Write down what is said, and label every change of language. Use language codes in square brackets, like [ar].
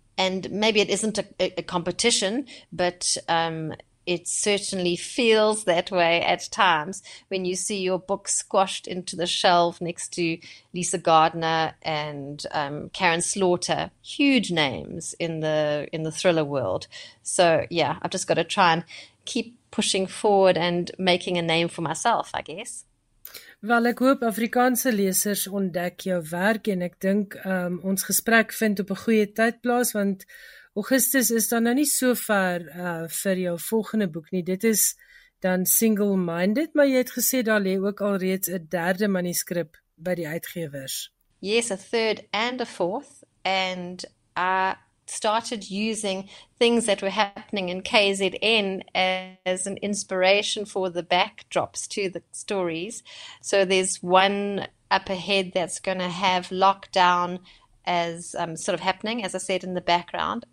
[en] And maybe it isn't a competition, but it certainly feels that way at times when you see your book squashed into the shelf next to Lisa Gardner and Karen Slaughter, huge names in the thriller world. So yeah, I've just got to try and keep pushing forward and making a name for myself, I guess. [af] Wel, ek hoop Afrikaanse lesers ontdek jou werk en ek dink ons gesprek vind op 'n goeie tyd plaas, want Augustus is dan nou nie so ver vir jou volgende boek nie. Dit is dan Single Minded, maar jy het gesê daar lê ook alreeds 'n derde manuskrip by die uitgewers. [en] Yes, a third and a fourth, and I started using things that were happening in KZN as an inspiration for the backdrops to the stories. So there's one up ahead that's going to have lockdown as sort of happening, as I said, in the background.